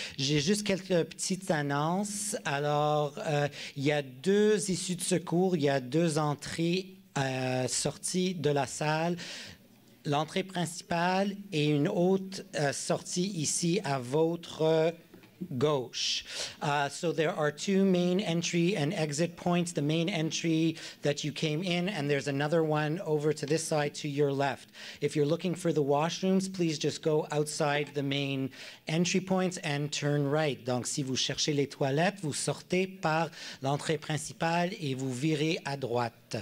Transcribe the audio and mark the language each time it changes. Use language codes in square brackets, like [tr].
[fr] J'ai juste quelques petites annonces. Alors, il y a deux issues de secours, il y a deux entrées sorties de la salle. L'entrée principale et une autre sortie ici à votre gauche. [en] So there are two main entry and exit points, the main entry that you came in, and there's another one over to this side to your left. If you're looking for the washrooms, please just go outside the main entry points and turn right. [fr] Donc, si vous cherchez les toilettes, vous sortez par l'entrée principale et vous virez à droite.